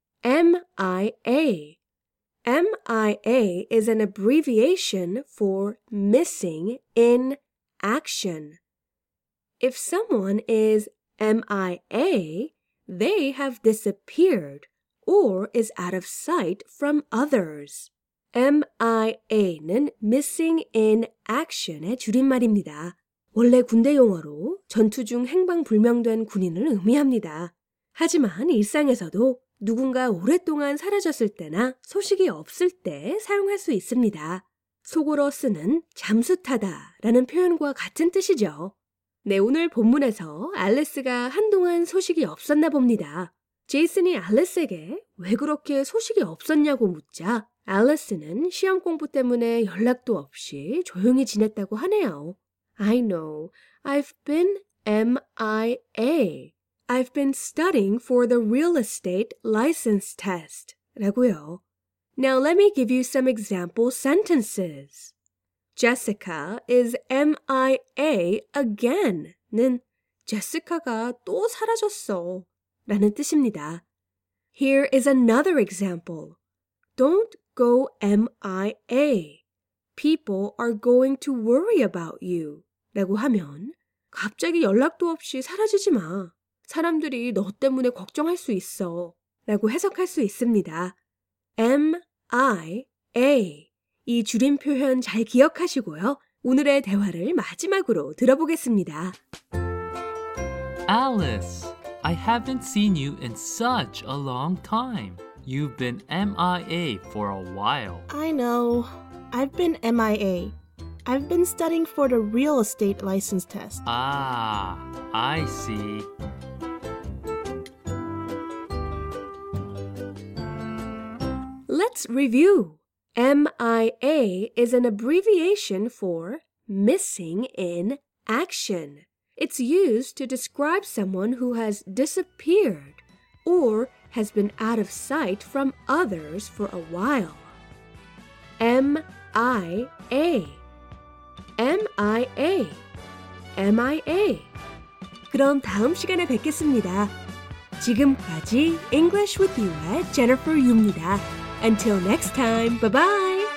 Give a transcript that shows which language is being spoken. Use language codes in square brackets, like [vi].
[en] M-I-A. M-I-A is an abbreviation for missing in action. If someone is MIA, they have disappeared or is out of sight from others. [ko] MIA는 Missing in Action의 줄임말입니다. 원래 군대 용어로 전투 중 행방불명된 군인을 의미합니다. 하지만 일상에서도 누군가 오랫동안 사라졌을 때나 소식이 없을 때 사용할 수 있습니다. 속으로 쓰는 잠수타다 라는 표현과 같은 뜻이죠. 네, 오늘 본문에서 앨리스가 한동안 소식이 없었나 봅니다. 제이슨이 앨리스에게 왜 그렇게 소식이 없었냐고 묻자 앨리스는 시험 공부 때문에 연락도 없이 조용히 지냈다고 하네요. [en] I know. I've been MIA. I've been studying for the real estate license test. [ko] 라고요. [en] Now let me give you some example sentences. Jessica is MIA again 는 [ko] 제시카가 또 사라졌어 라는 뜻입니다. [en] Here is another example. Don't go MIA. People are going to worry about you. [ko] 라고 하면 갑자기 연락도 없이 사라지지 마. 사람들이 너 때문에 걱정할 수 있어 라고 해석할 수 있습니다. MIA 이 줄임 표현 잘 기억하시고요. 오늘의 대화를 마지막으로 들어보겠습니다. [en] Alice, I haven't seen you in such a long time. You've been MIA for a while. I know. I've been MIA. I've been studying for the real estate license test. Ah, I see. 'Let's review. MIA is an abbreviation for missing in action. It's used to describe someone who has disappeared or has been out of sight from others for a while. MIA. MIA. MIA. [ko] 그럼 다음 시간에 뵙겠습니다. 지금까지 English with You의 Jennifer Yu입니다. [en] Until next time, bye-bye!